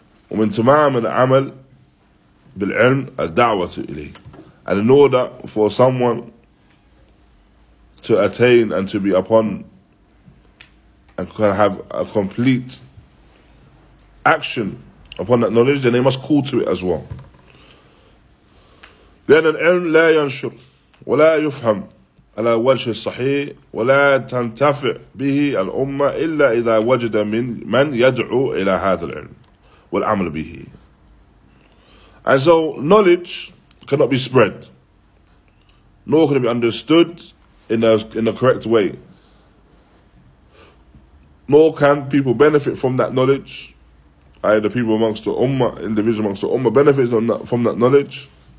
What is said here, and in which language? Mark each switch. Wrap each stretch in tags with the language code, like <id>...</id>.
<ar>وَمِنْ تَمَامِ الْعَمَلْ بِالْعِلْمِ الدَّعْوَةُ إِلَيْهِ.</ar> <en>And in order for someone to attain and to be upon and can have a complete action upon that knowledge, then they must call to it as well.</en> <ar>لأن العلم لا ينشر ولا يفهم على وجه الصحيح ولا تنتفع به الأمة إلا إذا وجد من يدعو إلى هذا العلم والعمل به.</ar> <en>And so knowledge cannot be spread, nor can it be understood in the correct way, nor can people benefit from that knowledge. The people amongst the ummah, individuals amongst the ummah, benefit from that knowledge.</en>